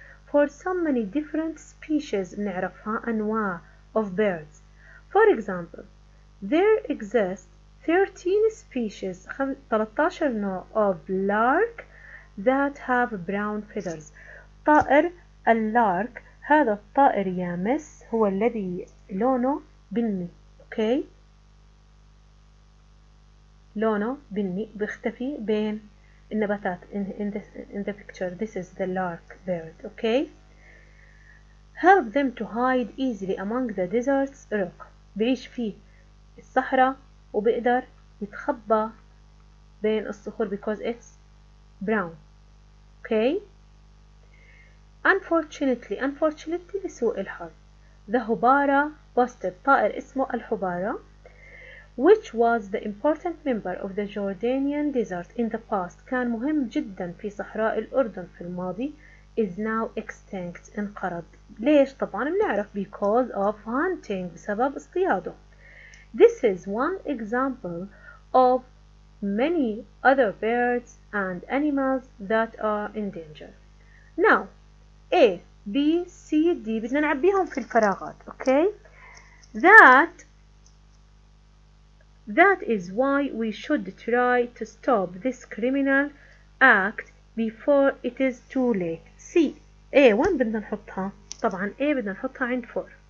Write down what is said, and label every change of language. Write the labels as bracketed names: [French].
[English] For so many different species [Arabic] نعرفها أنواع [English] of birds. For example, there exist 13 species [Arabic] 13 نوع [English] of lark that have brown feathers. [Arabic] طائر اللارك هذا الطائر يامس هو الذي لونه بني. [English] Okay. [Arabic] لونه بني بيختفي بين النباتات. [English] In the picture. This is the lark bird. Okay. Help them to hide easily among the deserts rock. [Arabic] بيعيش في الصحراء وبيقدر يتخبى بين الصخور [English] because it's brown. Okay. Unfortunately, [Arabic] لسوء الحظ. [English] The hubara busted. [Arabic] طائر اسمه الحبارة. [English] Which was the important member of the Jordanian desert in the past. [Arabic] كان مهم جدا في صحراء الأردن في الماضي. [English] Is now extinct. [Arabic] انقرض. ليش؟ طبعا بنعرف. [English] Because of hunting. [Arabic] بسبب اصطياده. [English] This is one example of many other birds and animals that are in danger. Now, A, B, C, D. [Arabic] بدنا نعبيهم في الفراغات. [English] Okay? That is why we should try to stop this criminal act before it is too late. [Arabic] C, A, وين بدنا نحطها؟ طبعا A بدنا نحطها عند 4.